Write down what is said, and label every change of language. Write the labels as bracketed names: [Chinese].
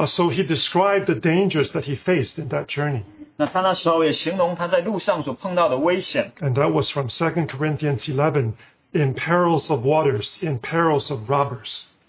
[English] So he described the dangers that he faced in that journey. [Chinese] 那他那时候也形容他在路上所碰到的危险。 [English] And that was from 2 Corinthians 11, in perils of waters, in perils of robbers.